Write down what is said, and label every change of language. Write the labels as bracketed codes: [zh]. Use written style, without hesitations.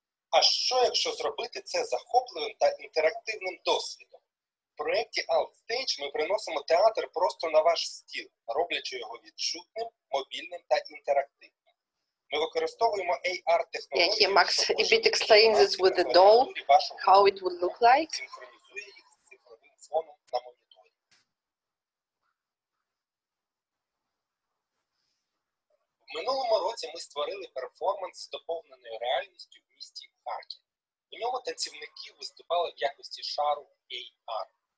[uk] А що, якщо зробити це захопливим та інтерактивним досвідом? В проєкті Outstage ми приносимо театр просто на ваш стіл, роблячи його відчутним, мобільним та інтерактивним. Ми використовуємо AR-технології. [en] Yeah, here Max a bit explains this with the doll, how it would look like. [uk] Синхронізує їх з цифровим фоном на моніторі. В минулому році ми створили перформанс з доповненою реальністю в місті. У ньому танцівники виступали в якості шару AR.